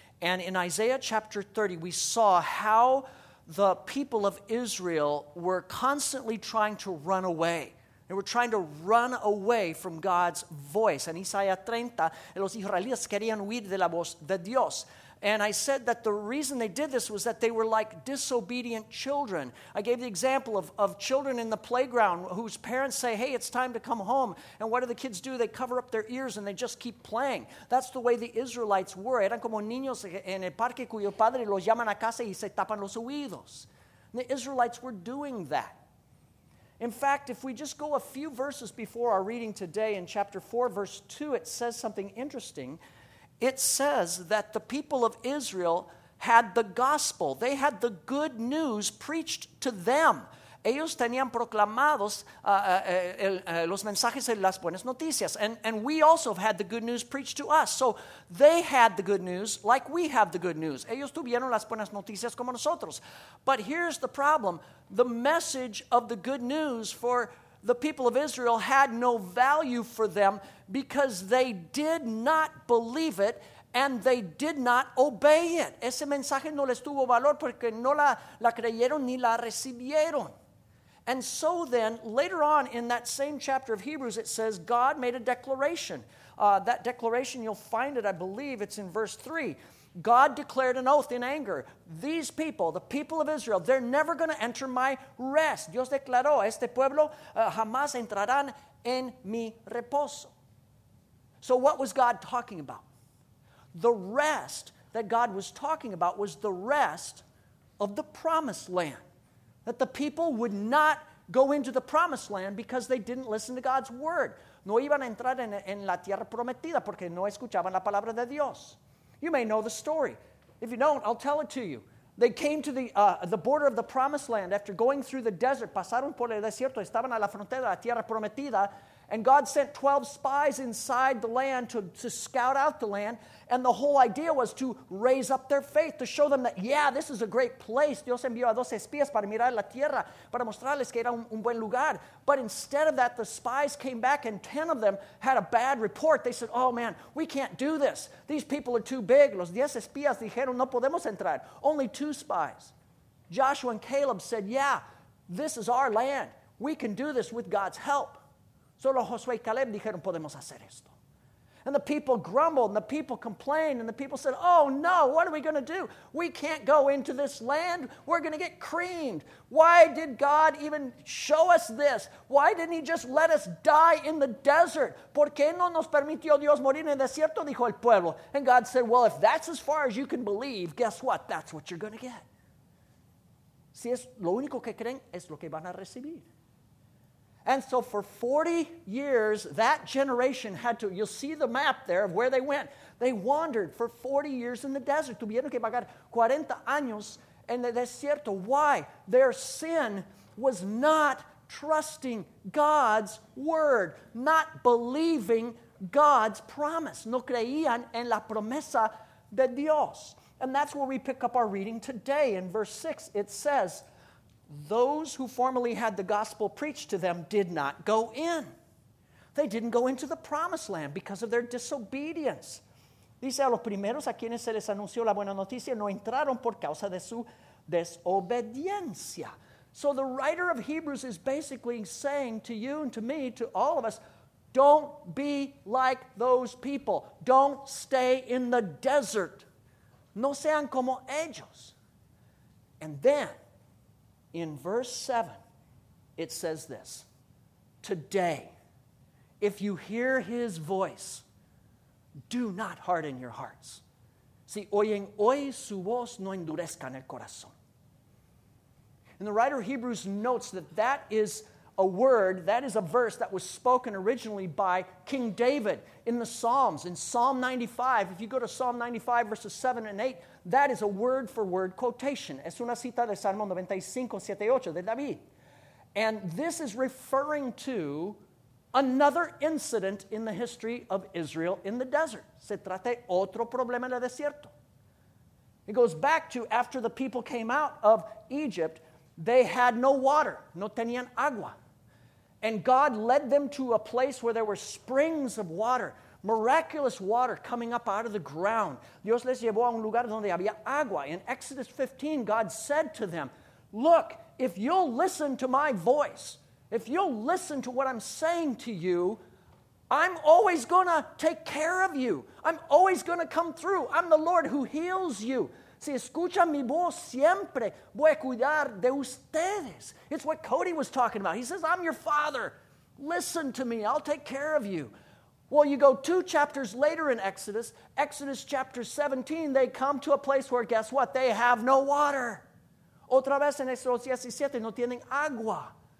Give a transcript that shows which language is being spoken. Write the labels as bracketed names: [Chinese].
[English] And in Isaiah chapter 30 we saw how the people of Israel were constantly trying to run away. They were trying to run away from God's voice. [Spanish] En Isaías 30, los israelitas querían huir de la voz de Dios. [English] And I said that the reason they did this was that they were like disobedient children. I gave the example of children in the playground whose parents say, hey, it's time to come home. And what do the kids do? They cover up their ears and they just keep playing. That's the way the Israelites were. [Spanish] Eran como niños en el parque cuyo padre los llaman a casa y se tapan los oídos. [English] And the Israelites were doing that. In fact, if we just go a few verses before our reading today in chapter 4, verse 2, it says something interesting. It says that the people of Israel had the gospel. They had the good news preached to them. [Spanish] Ellos tenían proclamados los mensajes de las buenas noticias. [English] And we also have had the good news preached to us. So they had the good news like we have the good news. [Spanish] Ellos tuvieron las buenas noticias como nosotros. [English] But here's the problem. The message of the good news for the people of Israel had no value for them because they did not believe it and they did not obey it. [Spanish] Ese mensaje no les tuvo valor porque no la creyeron ni la recibieron. [English] And so then, later on in that same chapter of Hebrews, it says God made a declaration. That declaration, you'll find it, I believe, it's in verse 3. God declared an oath in anger. These people, the people of Israel, they're never going to enter my rest. [Spanish] Dios declaró, este pueblo jamás entrarán en mi reposo. [English] So what was God talking about? The rest that God was talking about was the rest of the promised land. That the people would not go into the promised land because they didn't listen to God's word. [Spanish] No iban a entrar en la tierra prometida porque no escuchaban la palabra de Dios. [English] You may know the story. If you don't, I'll tell it to you. They came to the border of the promised land after going through the desert. [Spanish] Pasaron por el desierto, estaban a la frontera de la tierra prometida. [English] And God sent 12 spies inside the land to scout out the land. And the whole idea was to raise up their faith, to show them that, yeah, this is a great place. [Spanish] Dios envió a 12 espías para mirar la tierra, para mostrarles que era un buen lugar. [English] But instead of that, the spies came back and 10 of them had a bad report. They said, oh man, we can't do this. These people are too big. [Spanish] Los 10 espías dijeron, no podemos entrar. [English] Only 2 spies. Joshua and Caleb said, yeah, this is our land. We can do this with God's help. [Spanish] Solo Josué y Caleb dijeron, podemos hacer esto. [English] And the people grumbled, and the people complained, and the people said, oh no, what are we going to do? We can't go into this land. We're going to get creamed. Why did God even show us this? Why didn't he just let us die in the desert? [Spanish] ¿Por qué no nos permitió Dios morir en el desierto? Dijo el pueblo. [English] And God said, well, if that's as far as you can believe, guess what? That's what you're going to get. [Spanish] Si es lo único que creen, es lo que van a recibir. [English] And so for 40 years, that generation had to, you'll see the map there of where they went. They wandered for 40 years in the desert. [Spanish] Tuvieron que vagar 40 años en el desierto. [English] Why? Their sin was not trusting God's word, not believing God's promise. [Spanish] No creían en la promesa de Dios. [English] And that's where we pick up our reading today. In verse 6, it says, those who formerly had the gospel preached to them did not go in. They didn't go into the promised land because of their disobedience. [Spanish] Dice, a los primeros a quienes se les anunció la buena noticia no entraron por causa de su desobediencia. [English] So the writer of Hebrews is basically saying to you and to me, to all of us, don't be like those people. Don't stay in the desert. [Spanish] No sean como ellos. [English] And then, in verse 7, it says this: today, if you hear his voice, do not harden your hearts. [Spanish] Si oyen hoy su voz, no endurezcan el corazón. [English] And the writer of Hebrews notes that that is a word, that is a verse that was spoken originally by King David in the Psalms, in Psalm 95. If you go to Psalm 95, verses 7 and 8, that is a word-for-word quotation. [Spanish] Es una cita de Salmo 95, 7 y 8, de David. [English] And this is referring to another incident in the history of Israel in the desert. [Spanish] Se trata de otro problema en el desierto. [English] It goes back to after the people came out of Egypt, they had no water. [Spanish] No tenían agua. [English] And God led them to a place where there were springs of water, miraculous water coming up out of the ground. [Spanish] Dios les llevó a un lugar donde había agua. [English] In Exodus 15, God said to them, look, if you'll listen to my voice, if you'll listen to what I'm saying to you, I'm always going to take care of you. I'm always going to come through. I'm the Lord who heals you. [Spanish] Si escuchan mi voz, siempre voy a cuidar de ustedes. [English] It's what Cody was talking about. He says, I'm your father. Listen to me. I'll take care of you. Well, you go two chapters later in Exodus. Exodus chapter 17, they come to a place where, guess what? They have no water. [Spanish] Otra vez en Exodus 17, no tienen agua.